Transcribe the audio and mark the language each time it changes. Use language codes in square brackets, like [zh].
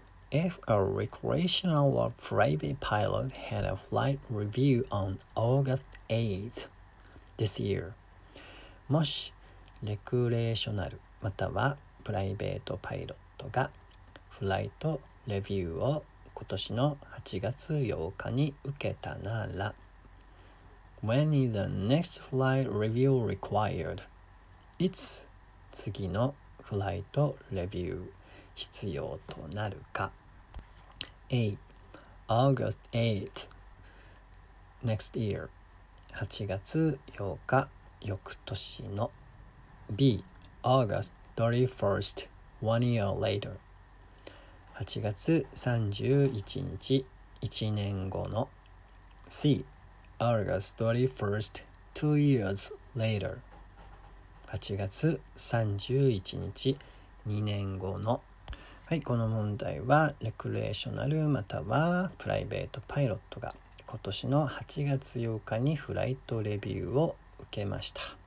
[en] If a recreational or private pilot had a flight review on August 8th this year, [ja] もしレクレーショナルまたはプライベートパイロットがフライトレビューを今年の8月8日に受けたなら、 [en] When is the next flight review required? [ja] いつ次のフライトレビュー必要となるか。 [en] A. August 8th next year [ja] 8月8日翌年の。 [en] B. August 31st 1 year later [ja] 8月31日1年後の。 [en] C. August 31st 2 years later [ja] 8月31日2年後の。はい、この問題はレクレーショナルまたはプライベートパイロットが今年の8月8日にフライトレビューを受けました。